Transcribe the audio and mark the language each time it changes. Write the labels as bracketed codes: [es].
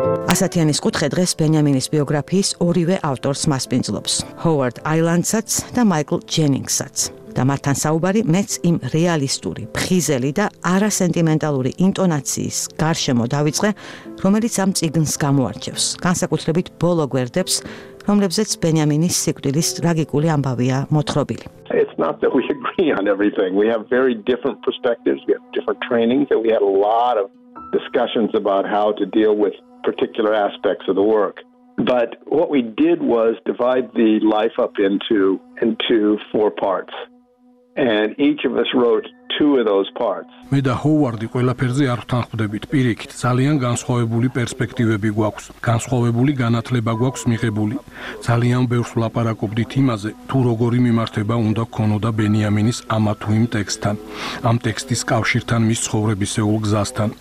[ka] ასათიანის კუთხე დღეს ბენიამინის ბიოგრაფიის ორივე ავტორს მასპინძლობს, ჰოვარდ აილანდსაც და მაიკლ ჯენინგსაც. და მათთან საუბარი მეც იმ რეალისტური, ფხიზელი და არასენტიმენტალური ინტონაციის გარშემო დავიწყე, რომელიც ამ წიგნს გამოარჩევს, განსაკუთრებით ბოლო გვერდებს, რომლებზეც ბენიამინის სიკვდილის ტრაგიკული ამბავია მოთხრობილი. [en] Not that we agree on everything. We have very different perspectives, we have different trainings, and we had a lot of discussions about how to deal with particular aspects of the work. But what we did was divide the life up into four parts. And each of us wrote two of those parts. [ka] მე და ჰოვარდი ყველაფერზე არ თანხმდებით პირიქით. ძალიან განსხვავებული პერსპექტივები გვაქვს, განსხვავებული განათლება გვაქვს მიღებული. ძალიან ბევრს ვლაპარაკობდით იმაზე, თუ როგორი მიმართება უნდა ქონოდა ბენიამინის ამა თუ იმ ტექსტთან, ამ ტექსტის კავშირთან მის ცხოვრებისეულ გზასთან.